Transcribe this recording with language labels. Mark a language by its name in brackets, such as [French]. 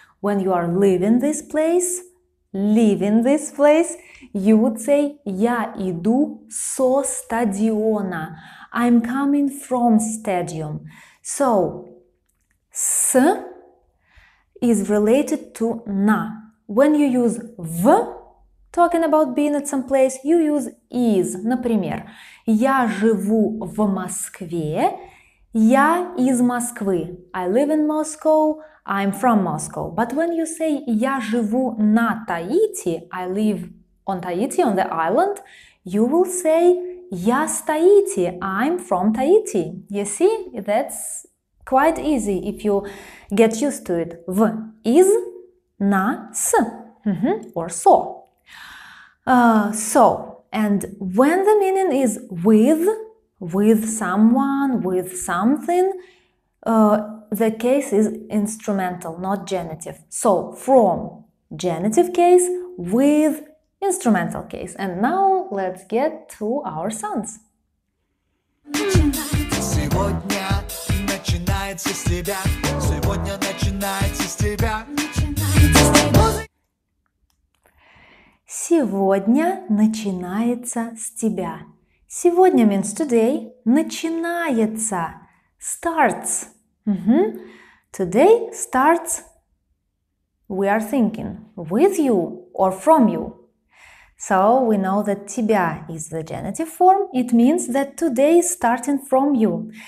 [English] When you are leaving this place, you would say [Russian] я иду со стадиона. [English] I'm coming from stadium. So, с is related to на. When you use в, talking about being at some place, you use is. [Russian] Например, я живу в Москве. Я из Москвы. [English] I live in Moscow. I'm from Moscow. But when you say [Russian] я живу на Таити, [English] I live on Tahiti, on the island, you will say [Russian] я с Таити. [English] I'm from Tahiti. You see, that's quite easy if you get used to it. [Russian] В из, на с, or со. [English] So, and when the meaning is with someone, with something, the case is instrumental, not genitive. So, from genitive case, with instrumental case. And now let's get to our sounds. [Russian] Сегодня начинается с тебя. Сегодня начинается с тебя. Сегодня начинается с тебя. [English] Сегодня means today. Начинается. Starts. Mm-hmm. Today starts, we are thinking, with you or from you. So we know that тебя is the genitive form. It means that today is starting from you.